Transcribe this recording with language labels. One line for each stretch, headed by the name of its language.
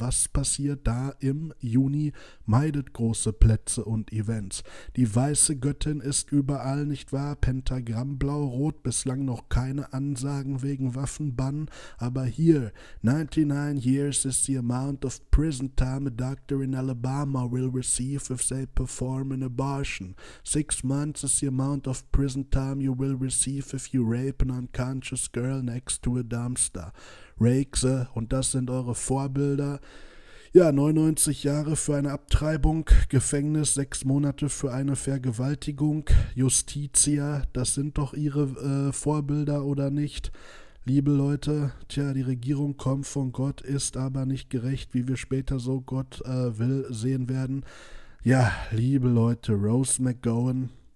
German: Was passiert da im Juni? Meidet große Plätze und Events. Die weiße Göttin ist überall, nicht wahr? Pentagramm blau-rot, bislang noch keine Ansagen wegen Waffenbann. Aber hier,
English: 99 years is the amount of prison time a doctor in Alabama will receive if they perform an abortion. 6 months is the amount of prison time you will receive if you rape an unconscious girl next to a dumpster.
German: Rakes, und das sind eure Vorbilder. Ja, 99 Jahre für eine Abtreibung, Gefängnis, 6 Monate für eine Vergewaltigung, Justitia, das sind doch ihre Vorbilder, oder nicht? Liebe Leute, tja, die Regierung kommt von Gott, ist aber nicht gerecht, wie wir später so Gott will sehen werden. Ja, liebe Leute, Rose McGowan,